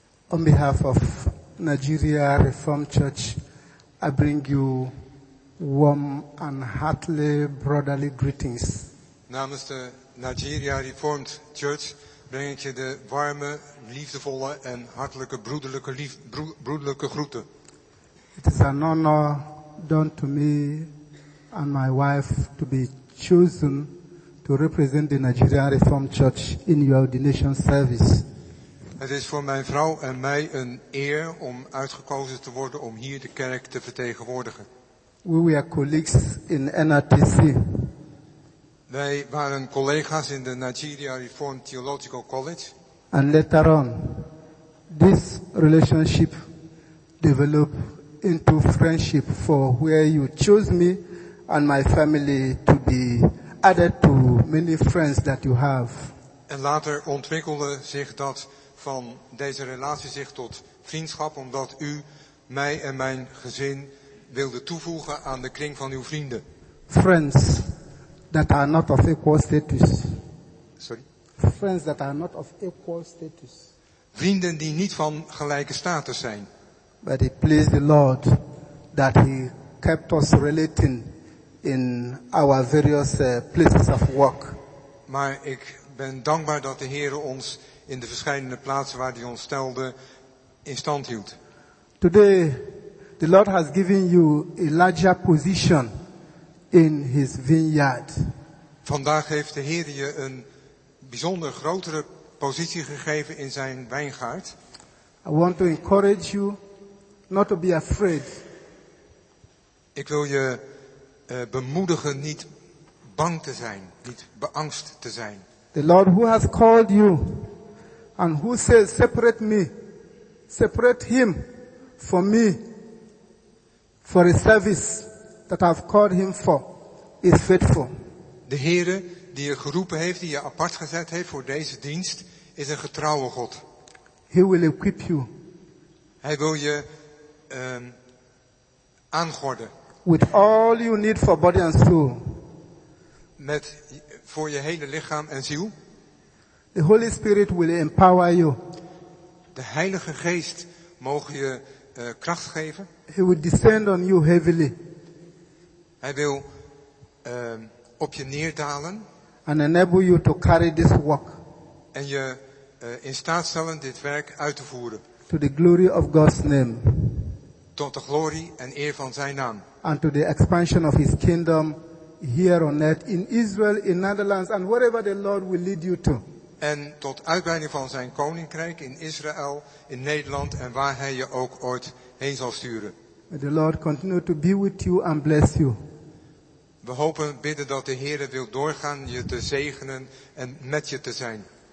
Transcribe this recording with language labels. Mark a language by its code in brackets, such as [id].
[en] On behalf of Nigeria Reformed Church, I bring you warm and heartily brotherly greetings. [nl] Namens de Nigeria Reformed Church breng ik je de warme, liefdevolle en hartelijke broederlijke groeten. [en] It is an honor done to me and my wife to be chosen to represent the Nigerian Reformed Church in your ordination service. [nl] Het is voor mijn vrouw en mij een eer om uitgekozen te worden om hier de kerk te vertegenwoordigen. [en] We were colleagues in NRTC. [nl] Wij waren collega's in de Nigeria Reformed Theological College. [en] And later on, this relationship developed into friendship for where you chose me and my family to be added to many friends that you have. [nl] En later ontwikkelde zich dat van deze relatie zich tot vriendschap, omdat u mij en mijn gezin wilde toevoegen aan de kring van uw vrienden. [en] Friends that are not of equal status. Sorry? Friends that are not of equal status. [nl] Vrienden die niet van gelijke status zijn. [en] But it pleased the Lord that he kept us relating in our various places of work. [nl] Maar ik ben dankbaar dat de Heer ons in de verschillende plaatsen waar hij ons stelde in stand hield. [en] Today the Lord has given you a larger position in his vineyard. [nl] Vandaag heeft de Heer je een bijzonder grotere positie gegeven in zijn wijngaard. [en] I want to encourage you not to be afraid. [nl] Ik wil je bemoedigen niet bang te zijn, niet beangst te zijn. [en] The Lord who has called you and who says separate me, separate him for me, for a service that I've called him for, is faithful. [nl] De Heere die je geroepen heeft, die je apart gezet heeft voor deze dienst, is een getrouwe God. [en] He will equip you. [nl] Hij wil je aangorden. [en] With all you need for body and soul. [nl] Met voor je hele lichaam en ziel. [en] The Holy Spirit will empower you. [nl] De Heilige Geest mogen je kracht geven. [en] He will descend on you heavily. [nl] Hij wil op je neerdalen. [en] And enable you to carry this work. [nl] En je in staat stellen dit werk uit te voeren. [en] To the glory of God's name. [nl] Tot de glorie en eer van zijn naam. [en] And to the expansion of his kingdom here on earth, in Israel, in Netherlands, and wherever the Lord will lead you to. [nl] En tot uitbreiding van zijn koninkrijk in Israël, in Nederland en waar hij je ook ooit heen zal sturen. [en] May the Lord continue to be with you and bless you. [nl] We hopen, bidden dat de Heere wil doorgaan je te zegenen en met je te zijn.